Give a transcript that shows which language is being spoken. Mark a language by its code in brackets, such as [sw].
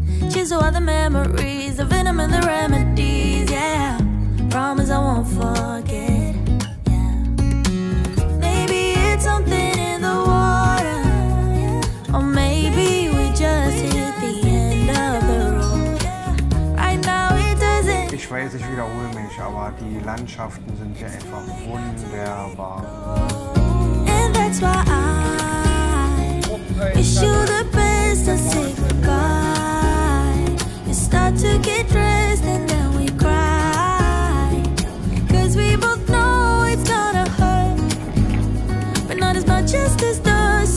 [en] Cheers to all the memories, the venom and the remedies, yeah. Promise I won't forget, yeah. Maybe it's something in the water, or maybe we just hit the end of the road. Right now it doesn't. [de] Ich weiß, ich wiederhole mich, aber die Landschaften sind ja einfach wunderbar. [en] And that's why I wish you the best, I say goodbye. Start to get dressed and then we cry. Cause we both know it's gonna hurt, but not as much as this does.